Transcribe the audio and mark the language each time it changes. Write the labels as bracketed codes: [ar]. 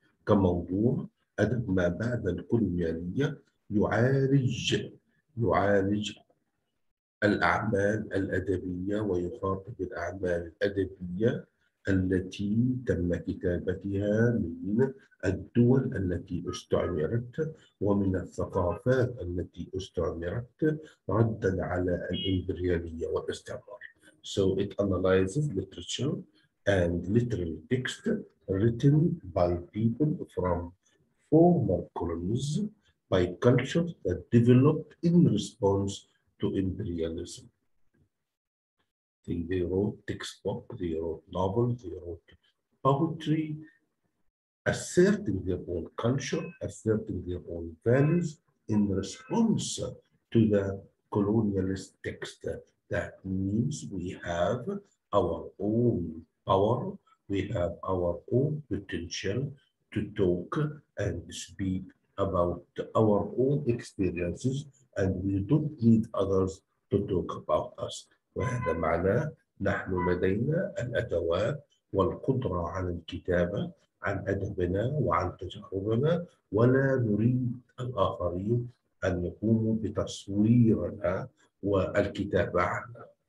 [ar] كموضوع أدب ما بعد الكولونيالية يعالج الأعمال الأدبية ويخاطب الأعمال الأدبية التي تم كتابتها من الدول التي استعمرت ومن الثقافات التي استعمرت ردا على الإمبريالية والاستعمار. [en] So it analyzes literature and literary text written by people from former colonies by cultures that developed in response to imperialism. They wrote textbook, they wrote novel, they wrote poetry, asserting their own culture, asserting their own values in response to the colonialist text. That means we have our own power, we have our own potential to talk and speak about our own experiences, and we don't need others to talk about us. [ar] وهذا معناه نحن لدينا الأدوات والقدرة على الكتابة عن أدبنا وعن تجاربنا، ولا نريد الآخرين أن يقوموا بتصويرنا والكتابة عنا.